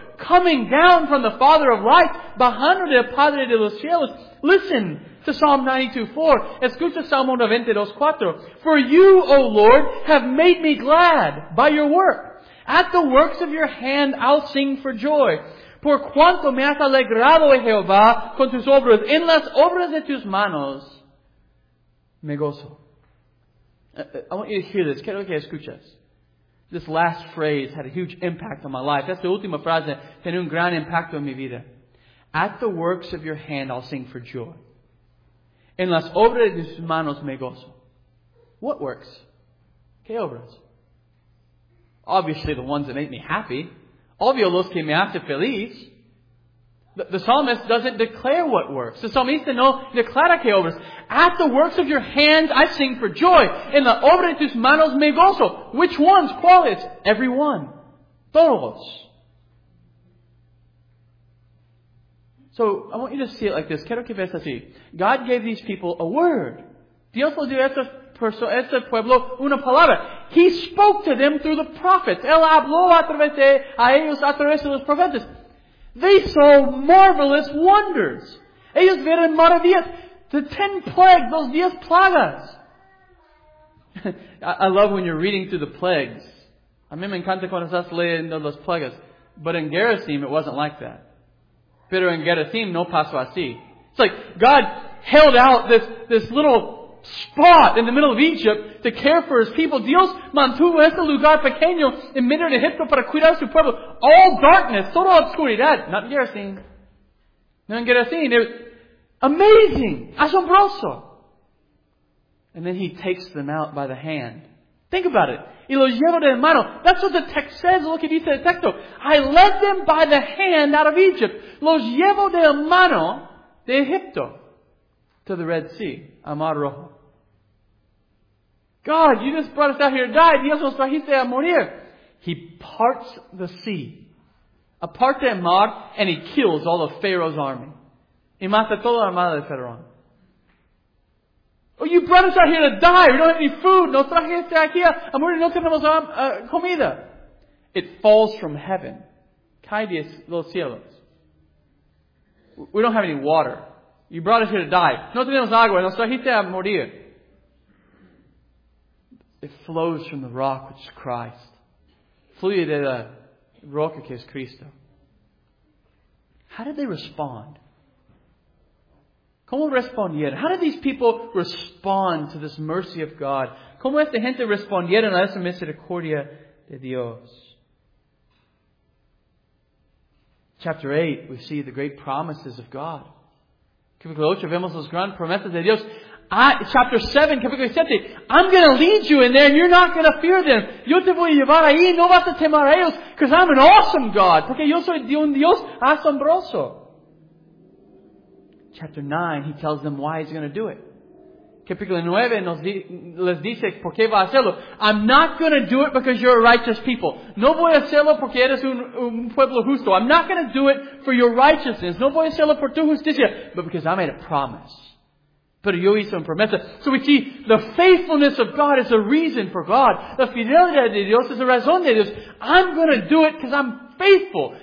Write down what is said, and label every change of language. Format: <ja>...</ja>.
<en>Coming down from the Father of Light,</en> <es>bajando del Padre de los Cielos.</es> <en>Listen to Psalm 92:4.</en> <es>Escucha Salmo 92:4.</es> <en>For you, O Lord, have made me glad by your work. At the works of your hand, I'll sing for joy.</en> <es>Por cuanto me has alegrado, Jehová, con tus obras, en las obras de tus manos, me gozo.</es> <en>I want you to hear this.</en> <es>Quiero que escuches.</es> <en>This last phrase had a huge impact on my life.</en> <es>Esta última frase tiene un gran impacto en mi vida.</es> <en>At the works of your hand, I'll sing for joy.</en> <es>En las obras de tus manos, me gozo.</es> <en>What works?</en> <es>¿Qué obras?</es> <en>Obviously, the ones that make me happy.</en> <es>Obvio, los que me hace feliz.</es> <en>The psalmist doesn't declare what works.</en> <es>The psalmista no declara qué obras.</es> <en>At the works of your hands, I sing for joy.</en> <es>En la obra de tus manos, me gozo.</es> <en>Which ones?</en> <es>¿Cuáles?</es> <en>Every one.</en> <es>Todos.</es> <en>So, I want you to see it like this.</en> <es>Quiero que veas así.</es> <en>God gave these people a word.</en> <es>Dios lo dio a este pueblo una palabra.</es> <en>He spoke to them through the prophets.</en> <es>Él habló a través de a ellos a través de los profetas.</es> <en>They saw marvelous wonders.</en> <es>Ellos vieron maravillas.</es> <en>The 10 plagues, those 10 plagas. I love when you're reading through the plagues.</en> <es>A mí me encanta cuando estás leyendo las plagas.</es> <en>But in Gerasim, it wasn't like that.</en> <es>Pero en Gerasim, no pasó así.</es> <en>It's like God held out this little spot in the middle of Egypt to care for His people.</en> <es>Dios mantuvo este lugar pequeño en medio de Egipto para cuidar su pueblo.</es> <en>All darkness,</en> <es>toda oscuridad.</es> <en>Not in Gerasim.</en> <es>No en Gerasim.</es> <en>It was amazing.</en> <es>Asombroso.</es> <en>And then He takes them out by the hand. Think about it.</en> <es>Y los llevo de mano.</es> <en>That's what the text says. Look at dice el texto. I led them by the hand out of Egypt.</en> <es>Los llevo de mano de Egipto.</es> <en>To the Red Sea.</en> <es>A Mar Rojo.</es> <en>God, you just brought us out here to die.</en> <es>Dios nos trajiste a morir.</es> <en>He parts the sea.</en> <es>Aparte el mar,</es> <en>and He kills all of Pharaoh's army.</en> <es>Y mata toda la armada de Pharaoh.</es> <en>Oh, you brought us out here to die. We don't have any food.</en> <es>Nos trajiste aquí a morir. No tenemos comida.</es> <en>It falls from heaven.</en> <es>Cae de los cielos.</es> <en>We don't have any water. You brought us here to die.</en> <es>No tenemos agua. Nos trajiste a morir.</es> <en>It flows from the rock, which is Christ.</en> <es>Fluye de la roca que es Cristo.</es> <en>How did they respond?</en> <es>¿Cómo respondieron?</es> <en>How did these people respond to this mercy of God?</en> <es>¿Cómo esta gente respondieron a esa misericordia de Dios?</es> <en>Chapter 8, we see the great promises of God.</en> <es>Capítulo 8, vemos las grandes promesas de Dios.</es> <en>Chapter 7,</en> <es>capítulo 7,</es> <en>I'm going to lead you in there and you're not going to fear them.</en> <es>Yo te voy a llevar ahí y no vas a temer a ellos</es> <en>because I'm an awesome God.</en> <es>Porque yo soy un Dios asombroso.</es> <en>Chapter 9, he tells them why he's going to do it.</en> <es>Capítulo 9 les dice por qué va a hacerlo.</es> <en>I'm not going to do it because you're a righteous people.</en> <es>No voy a hacerlo porque eres un pueblo justo.</es> <en>I'm not going to do it for your righteousness.</en> <es>No voy a hacerlo por tu justicia,</es> <en>but because I made a promise.</en> <es>Pero yo hice una promesa.</es> <en>So we see the faithfulness of God is a reason for God.</en> <es>La fidelidad de Dios es la razón de Dios.</es> <en>I'm going to do it because I'm faithful.</en>